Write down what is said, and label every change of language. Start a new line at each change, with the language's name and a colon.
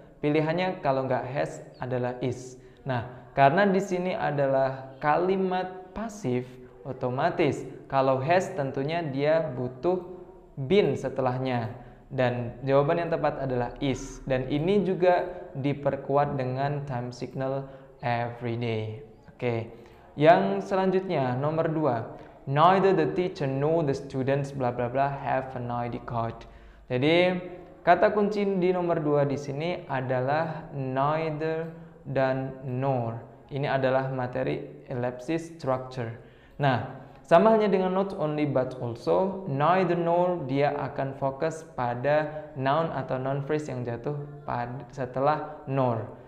Indonesian: Pilihannya kalau nggak has adalah is. Nah, karena di sini adalah kalimat pasif, otomatis kalau has tentunya dia butuh been setelahnya. Dan jawaban yang tepat adalah is. Dan ini juga diperkuat dengan
English: time signal every day.
Indonesian: Oke. Yang selanjutnya, nomor 2.
English: Neither the teacher nor the students bla bla bla have an ID card.
Indonesian: Jadi, kata kunci di nomor 2 di sini adalah neither dan nor. Ini adalah materi ellipsis structure. Nah, sama halnya dengan not only but also, neither nor dia akan fokus pada noun atau noun phrase yang jatuh setelah nor.